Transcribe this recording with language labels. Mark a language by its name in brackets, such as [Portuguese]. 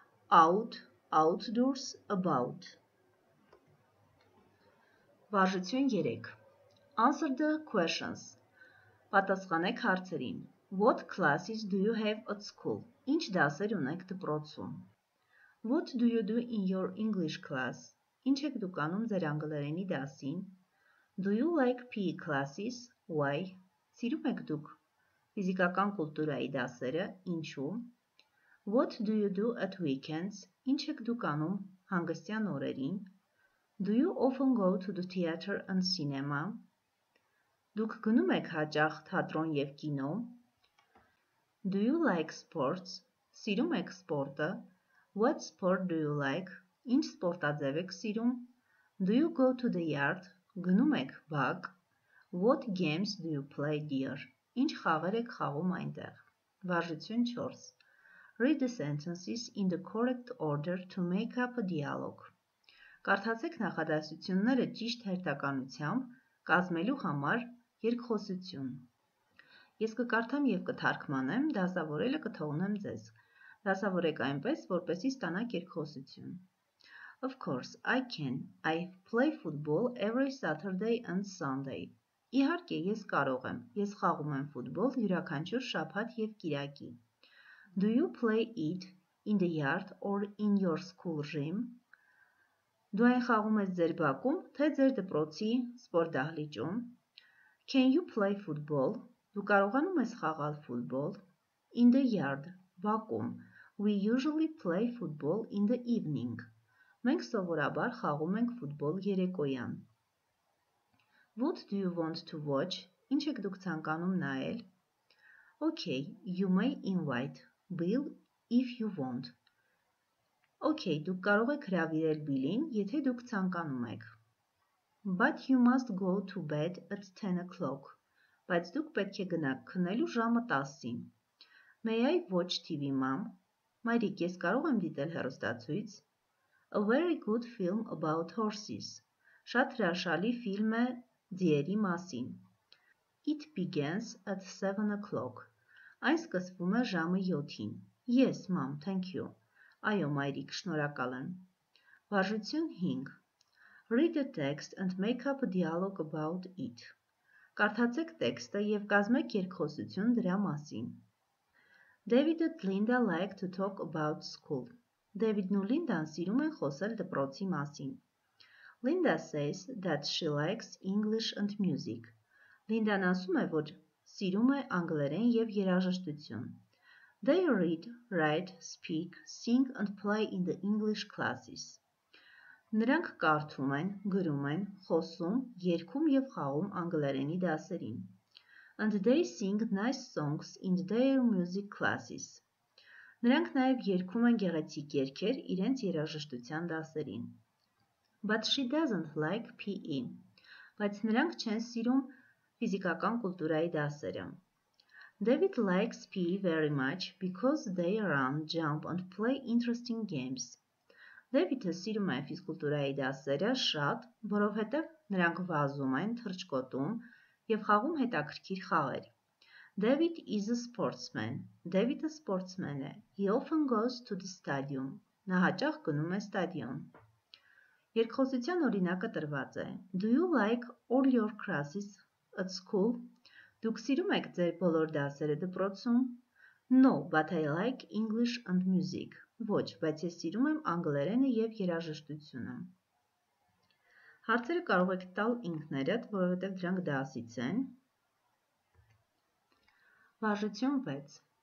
[English] Out, outdoors, about. [Armenian] Վարժություն 3. [English] Answer the questions. [Armenian] Պատասխանեք հարցերին. [English] What classes do you have at school? [Armenian] Ինչ դասեր ունեք դպրոցում? [English] What do you do in your English class? [Armenian] Ինչ եք դուք անում ձեր անգլերենի դասին? [English] Do you like PE classes? Why? [Armenian] Սիրում եք դուք ֆիզիկական կուլտուրայի դասերը? Ինչու? [English] What do you do at weekends? [Armenian] Ինչ եք դուք անում հանգստյան օրերին? [English] Do you often go to the theater and cinema? [Armenian] Դուք գնում եք հաճախ թատրոն և կինո? [English] Do you like sports? [Armenian] Սիրում եք սպորտը? [English] What sport do you like? [Armenian] Ինչ սպորտաձև եք սիրում? [English] Do you go to the yard? [Armenian] Գնում եք բակ? [English] What games do you play, dear? [Armenian] Ինչ խաղեր եք խաղում այնտեղ? Վարժություն 4. [English] Read the sentences in the correct order to make up a dialogue. [Armenian] Կարդացեք նախադասությունները ճիշտ հերթականությամբ կազմելու համար երկխոսություն։ Ես կկարդամ և կթարգմանեմ, դասավորելը կթողնեմ ձեզ։ Դասավորեք այնպես, որպեսզի ստանաք երկխոսություն։ [English] Of course, I can. I play football every Saturday and Sunday. [Armenian] Իհարկե, ես կարող եմ։ Ես խաղում եմ ֆուտբոլ յուրաքանչյուր շաբաթ և կիրակի։ [English] Do you play it in the yard or in your school gym? [Armenian] Դու այն խաղում ես ձեր բակում, թե ձեր դպրոցի սպորտահլիճում? [English] Can you play football? [Armenian] Դու կարողանում ես խաղալ ֆուտբոլ? [English] In the yard, [Armenian] բակում, [English] we usually play football in the evening. [Armenian] Մենք սովորաբար խաղում ենք ֆուտբոլ երեկոյան. [English] What do you want to watch? [Armenian] Ինչ եք դուք ցանկանում նայել? [English] Okay, you may invite Bill if you want. [Armenian] Okay, դուք կարող եք հրավիրել Bill-ին, եթե դուք ցանկանում եք. [English] But you must go to bed at 10 o'clock. [Armenian] Բայց դուք պետք է գնաք քնելու ժամը 10-ին. [English] May I watch TV, mom? [Armenian] Մայրիկ, ես կարող եմ դիտել հեռուստացույց? [English] A very good film about horses. [Armenian] Շատ հրաշալի ֆիլմ է ձիերի մասին. [English] It begins at 7 o'clock. [Armenian] Այն սկսվում է ժամը 7-ին. [English] Yes, mom, thank you. [Armenian] Այո, մայրիկ, շնորհակալ եմ. Վարժություն 5. [English] Read the text and make up a dialogue about it. [Armenian] Կարդացեք տեքստը և կազմեք երկխոսություն դրա մասին. [English] David and Linda like to talk about school. [Armenian] David-ն ու Linda-ն սիրում են խոսել դպրոցի մասին. [English] Linda says that she likes English and music. [Armenian] Linda-ն ասում է, որ սիրում է անգլերեն և երաժշտություն. [English] They read, write, speak, sing and play in the English classes. [Armenian] Նրանք կարդում են, գրում են, խոսում, երգում և խաղում անգլերենի դասերին. [English] And they sing nice songs in their music classes. [Armenian] Նրանք նաև երգում են գեղեցիկ երգեր իրենց երաժշտության դասերին. [English] But she doesn't like PE. [Armenian] Բայց նրանք չեն սիրում ֆիզիկական կուլտուրայի դասերը. [English] David likes PE very much because they run, jump and play interesting games. [Armenian] David-ը սիրում է ֆիզկուլտուրայի դասերը շատ, որովհետև նրանք վազում են, թռչկոտում և խաղում հետաքրքիր խաղեր. [English] David is a sportsman. [Armenian] David-ը sportsman է. [English] He often goes to the stadium. [Armenian] Նա հաճախ գնում է ստադիոն. Երկխոսության օրինակը տրված է. [English] Do you like all your classes at school? [Armenian] Դուք սիրում եք ձեր բոլոր դասերը դպրոցում? [English] No, but I like English and music. [Armenian] Ոչ, բայց ես սիրում եմ անգլերենը և երաժշտությունը. Հարցերը կարող եք տալ ինքներդ, որովհետև դրանք դասից են։ Վարժություն 6.